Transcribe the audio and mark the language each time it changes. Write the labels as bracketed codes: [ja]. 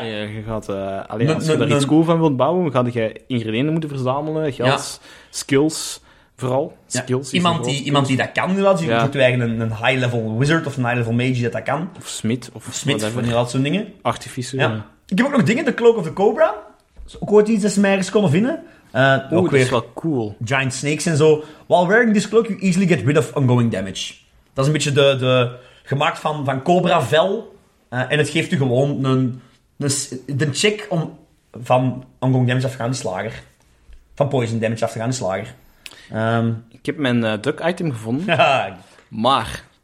[nl] Je gaat, als je iets cool van wilt bouwen, ga je ingrediënten moeten verzamelen, geld, skills, vooral. Skills. Ja. Iemand die dat kan, inderdaad. Je moet eigenlijk een high-level wizard of een high-level mage dat kan. Of smid. Of smid, van inderdaad zo'n dingen. Artificer. Ja. Ik heb ook nog dingen, de Cloak of the Cobra. Is ook ooit iets dat ze mij ergens konden vinden. Dat is wel cool. [en] Giant snakes en zo. While wearing this cloak, you easily get rid of ongoing damage. [nl] Dat is een beetje de gemaakt van cobra vel. En het geeft u gewoon een check om van ongoing damage afgaan, die slager. van poison damage af te gaan, de slager. Ik heb mijn duck item gevonden. Maar...